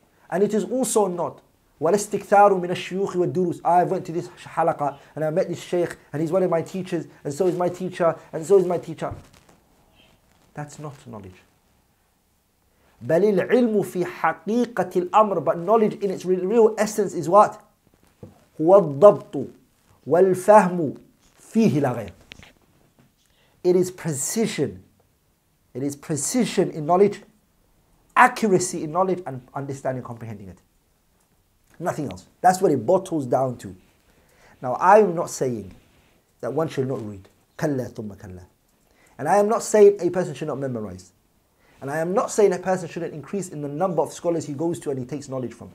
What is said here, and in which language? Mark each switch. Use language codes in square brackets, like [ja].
[en] And it is also not [ar] ولا استكثار من الشيوخ والدروس. [en] I went to this حلقة and I met this sheikh and he's one of my teachers and so is my teacher and so is my teacher. That's not knowledge. [ar] بل العلم في حقيقة الأمر, [en] but knowledge in its real essence is what? [ar] هو الضبط والفهم فيه لا غير. [en] It is precision. It is precision in knowledge, accuracy in knowledge, and understanding, comprehending it. Nothing else. That's what it bottles down to. Now, I am not saying that one should not read. [ar] كلا ثم كلا. [en] And I am not saying a person should not memorize. And I am not saying a person shouldn't increase in the number of scholars he goes to and he takes knowledge from.